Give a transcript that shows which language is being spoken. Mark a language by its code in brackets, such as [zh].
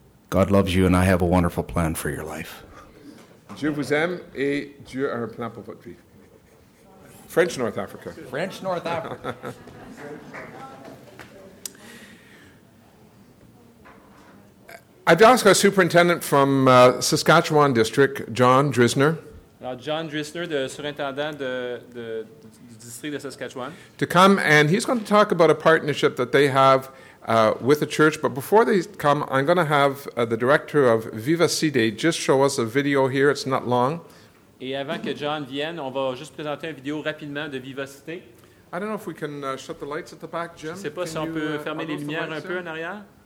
[en] God loves you and I have a wonderful plan for your life. [fr] Dieu vous aime et Dieu a un plan pour votre vie. [en] French North Africa. I've asked our superintendent from Saskatchewan District, John Drisner. [fr] Alors John Drisner, le surintendant du district de Saskatchewan. [en] To come, and he's going to talk about a partnership that they have with the church. But before they come, I'm going to have the director of Viva Cide just show us a video here. It's not long. [fr] Et avant que John vienne, on va juste présenter une vidéo rapidement de Viva Cide. [en] I don't know if we can shut the lights at the back, Jim. [fr] Je ne sais pas [en] can [fr] si on peut fermer les lumières un peu en arrière.